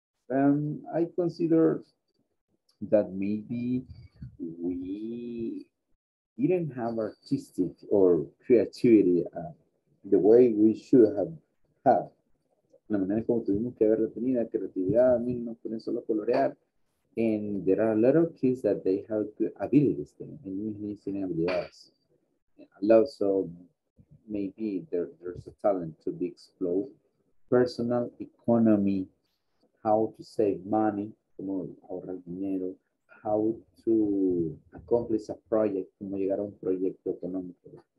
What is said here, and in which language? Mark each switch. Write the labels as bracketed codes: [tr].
[en] I consider that maybe we didn't have artistic or creativity the way we should have had. [es] La manera como tuvimos que haber tenido creatividad, a mí no pueden solo colorear. [en] And there are a lot of kids that they have good abilities and usually seen abilities. Also, maybe there's a talent to be explored. Personal economy, how to save money, [es] como ahorrar dinero, [en] how to accomplish a project, [es] como llegar a un proyecto económico.